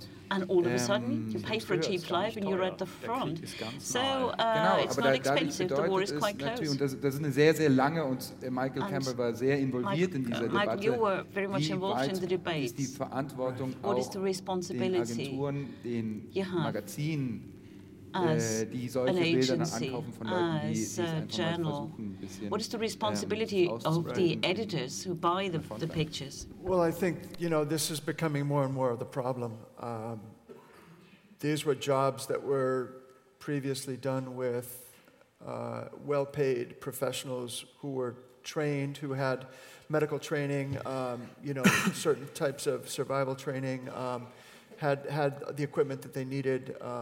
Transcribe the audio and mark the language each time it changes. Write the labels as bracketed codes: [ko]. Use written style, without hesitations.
[en] And all of a sudden, you pay for a cheap flight and you're at the front. So it's not expensive, the war is quite close. [de] Und das ist eine sehr, sehr lange, und Michael Campbell war sehr involviert in dieser Debatte. [en] Michael, you were very much involved in the debate. [de] Ist die Verantwortung auch den Agenturen, den Magazinen, die solche Bilder ankaufen von Leuten, die es einfach mal versuchen, ein bisschen [en] what is the responsibility of the editors who buy the pictures? Well, I think, you know, this is becoming more and more of the problem. These were jobs that were previously done with well-paid professionals who were trained, who had medical training, certain types of survival training, had the equipment that they needed.